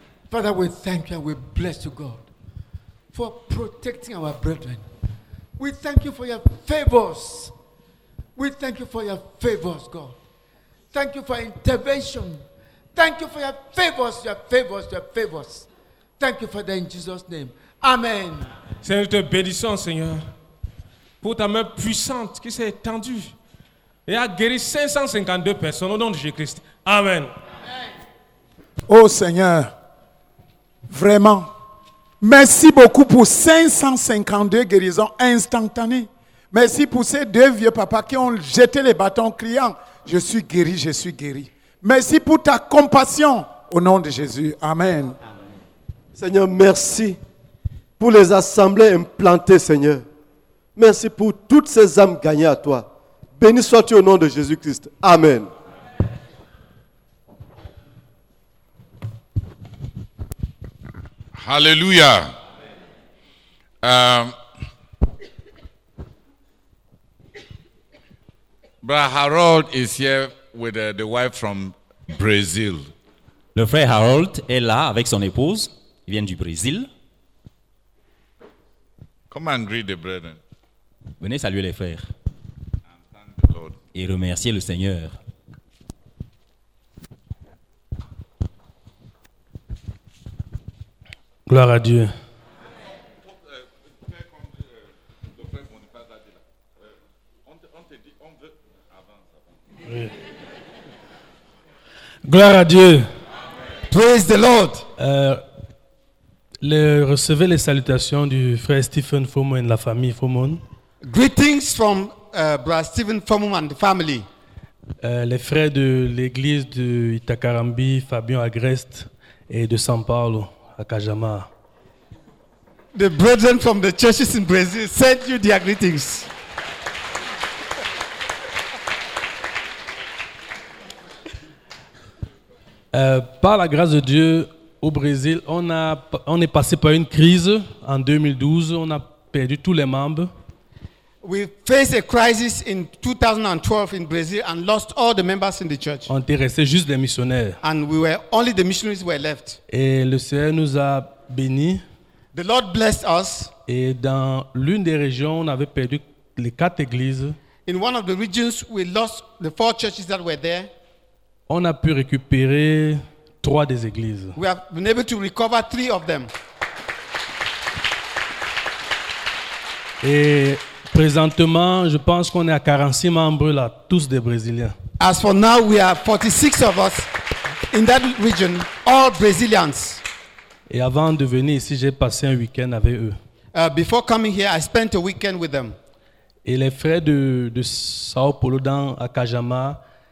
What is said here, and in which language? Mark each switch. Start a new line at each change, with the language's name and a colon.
English: Father, we thank you and we bless you, God, for protecting our brethren. We thank you for your favors. We thank you for your favors, God. Thank you for intervention. Thank you for your favors, your favors, your favors. Thank you for that in Jesus' name. Amen.
French: Seigneur, te bénissons, Seigneur, pour ta main puissante qui s'est étendue et a guéri 552 personnes au nom de Jésus-Christ. Amen. Oh Seigneur, vraiment, merci beaucoup pour 552 guérisons instantanées. Merci pour ces deux vieux papas qui ont jeté les bâtons criant, je suis guéri, je suis guéri. Merci pour ta compassion au nom de Jésus. Amen. Amen. Seigneur, merci pour les assemblées implantées, Seigneur. Merci pour toutes ces âmes gagnées à toi. Béni sois-tu au nom de Jésus-Christ. Amen. Hallelujah.
English: Brother Harold is here with the wife from Brazil.
French: Le frère Harold est là avec son épouse. Il vient du Brésil.
English: Come and greet the brethren.
French: Venez saluer les frères.
English: And thank the Lord.
French: Et remercier le Seigneur. Gloire à Dieu. Gloire à Dieu.
English: Amen. Praise the Lord.
French: Recevez les salutations du frère Stephen Fomon et de la famille Fomon.
English: Greetings from brother Stephen Fomon and the family.
French: Les frères de l'église de Itacarambi, Fabien Agrest et de São Paulo à Cajamá.
English: The brethren from the churches in Brazil send you their greetings.
French: Par la grâce de Dieu, au Brésil, on est passé par une crise en 2012. On a perdu tous les membres.
English: We faced a crisis in 2012 in Brazil and lost all the members in the church.
French: On était resté juste les missionnaires.
English: And we were only the missionaries were left.
French: Et le Seigneur nous a bénis.
English: The Lord blessed us.
French: Et dans l'une des régions, on avait perdu les quatre églises.
English: In one of the regions, we lost the four churches that were there.
French: On a pu récupérer trois des églises.
English: We have been able to recover three of them.
French: Et présentement, je pense qu'on est à 46 membres là, tous des Brésiliens.
English: As for now, we are 46 of us in that region, all Brazilians.
French: Et avant de venir ici, j'ai passé un week-end avec eux.
English: Before coming here, I spent a weekend with them.
French: Et les frères de São Paulo dans à Cajamá.